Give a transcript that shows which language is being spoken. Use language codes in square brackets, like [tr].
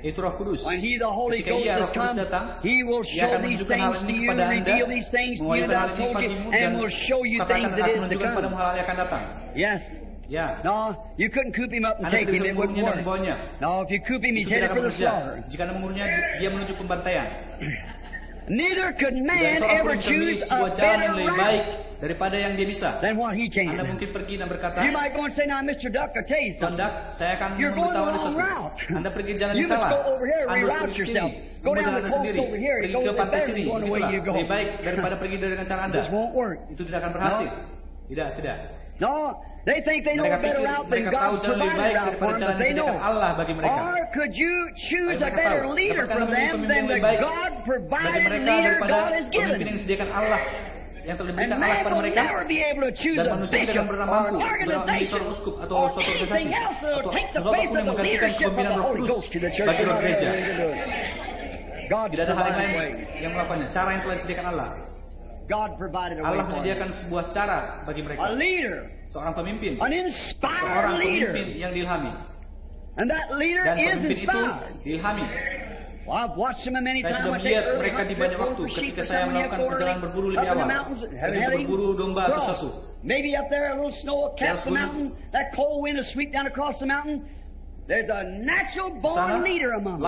[id] itu Roh Kudus. [en] When He, the Holy Ghost, has come, [id] datang, [en] He will show these things to you, [id] anda, [en] reveal these things to you that I told you, and will show you things that is to come. [id] Hal yang akan datang. [en] Yes. Yeah. No, you couldn't coop him up and [id] anda [en] take him. It wouldn't work. [id] Membawanya. [en] No, if you coop him, he's headed for the slaughter. [id] Jika anda mengurungnya, dia menuju pembantaian. [en] Neither could man ever choose a better [id] route daripada yang dia bisa. [en] Then what he can. [id] Anda mungkin pergi dan berkata, [en] you might go and say, now, Mr. Duck, I'll tell you something. [id] Duck, saya akan memberitahu anda sesuatu. Anda pergi jalan [en] you [id] salah. [en] Must go over here, reroute yourself. [id] Sini. [en] Go down the coast over here. [id] Pergi ke pantai sini. Itulah. Lebih baik daripada pergi dengan cara anda. [en] This won't work. [id] Itu tidak akan berhasil. Tidak. [en] No, they think they know a better route than God's provided route for them, but they know. [id] Allah bagi mereka. [en] Or could you choose a better leader for them than the God provided leader God has given? [id] Yang telah diberikan Allah kepada mereka, dan manusia tidak akan pernah mampu menjadi seorang uskup atau suatu organisasi atau sesuatu pun yang menggantikan kepemimpinan Roh Kudus bagi Roh Gereja. Tidak ada hal lain yang melakukannya. Cara yang telah disediakan Allah. [en] God provided a way. [id] Allah menyediakan sebuah cara bagi mereka. [en] A leader, [id] seorang pemimpin. [en] An inspired leader. [id] Seorang pemimpin yang diilhami. [en] And that leader [id] dan pemimpin [en] is inspired. [id] Itu diilhami. [en] Well, I've watched them many [id] saya sudah melihat mereka di banyak waktu ketika saya melakukan perjalanan berburu lebih awal. Mereka berburu domba atau sesuatu. [en] Maybe up there a little snow will catch the mountain. That cold wind will sweep down across the mountain. There's a natural born leader among them.